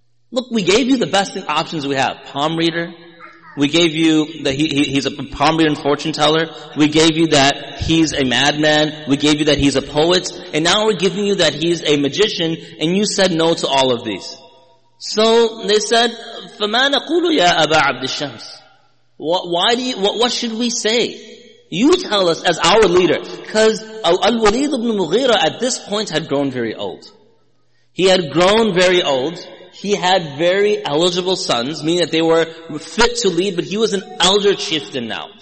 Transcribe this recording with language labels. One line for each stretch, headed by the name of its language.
English: Look, we gave you the best options we have. Palm reader. We gave you that he's a palm reader and fortune teller. We gave you that he's a madman. We gave you that he's a poet. And now we're giving you that he's a magician. And you said no to all of these. So they said,
Arabic: فَمَا نَقُولُ يَا أَبَا عَبْدِ الشَّمْسِ.
English: What should we say? You tell us as our leader. Because Al-Walid ibn Mughira at this point had grown very old. He had grown very old. He had very eligible sons, meaning that they were fit to lead, but he was an elder chieftain now.